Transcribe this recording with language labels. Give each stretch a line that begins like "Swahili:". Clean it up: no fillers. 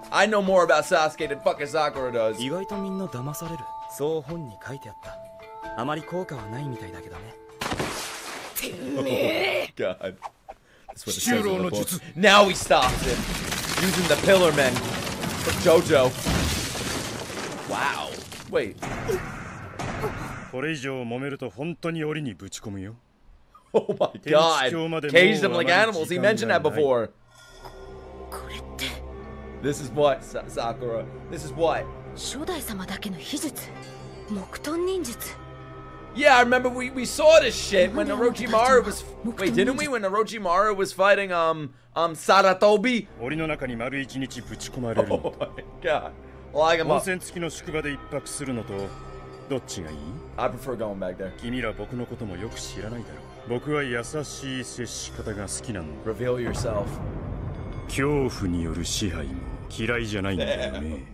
English: I know more about Sasuke than fucking Sakura does.
Japanese: 意外とみんな騙される。そう本に書いてあった。あまり効果はないみたいだけどね。
English: God. That's what it says in the book. Now he stops it. Using the pillar men. For JoJo. Wow. Wait.
Japanese: これ以上揉めると本当に檻にぶち込むよ。
English: Oh my god! Caged them like animals. He mentioned that before.
Japanese: これって。
English: This is what Sakura. This is what.
Japanese: 初代様だけの秘術、木遁忍術。
English: Yeah, I remember we saw this shit when Orochimaru was. Wait, didn't we when Orochimaru was fighting Sarutobi?
Japanese: 檻の中に丸一日ぶち込まれる。
English: Oh my god! Lock him up.
Japanese: 温泉付きの宿場で一泊するのと。どっちがいい?
English: I prefer going back there.
Japanese: 君ら僕のこともよく知らないだろう。僕は優しい接し方が好きなの。
English: Reveal yourself.
Japanese: 恐怖による支配も嫌いじゃないんだよね。